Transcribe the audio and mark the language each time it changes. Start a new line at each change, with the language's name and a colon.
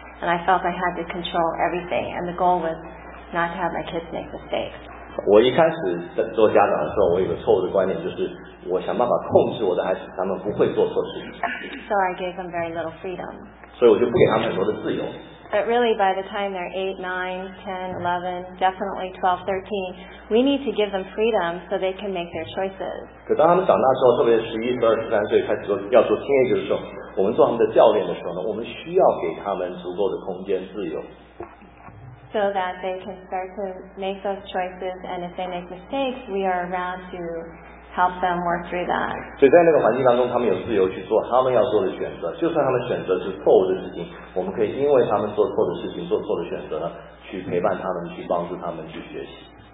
English: And I felt I had to control everything. And the goal was not to have my kids make mistakes.
Chinese: 我一开始做家长的时候，我有个错误的观念，就是我想办法控制我的孩子，他们不会做错事情。
English: So I gave them very little freedom.
Chinese: 所以我就不给他们很多的自由。
English: But really, by the time they're 8, 9, 10, 11, definitely 12, 13, we need to give them freedom so they can make their choices.
Chinese: 可当他们长大之后，特别是11、12、13岁开始做要做 teenager 的时候，我们做他们的教练的时候呢，我们需要给他们足够的空间自由。
English: So that they can start to make those choices, and if they make mistakes, we are around to help them work through that.
Chinese: 所以在那个环境当中，他们有自由去做他们要做的选择，就算他们选择是错误的事情，我们可以因为他们做错的事情、做错的选择呢，去陪伴他们，去帮助他们去学习。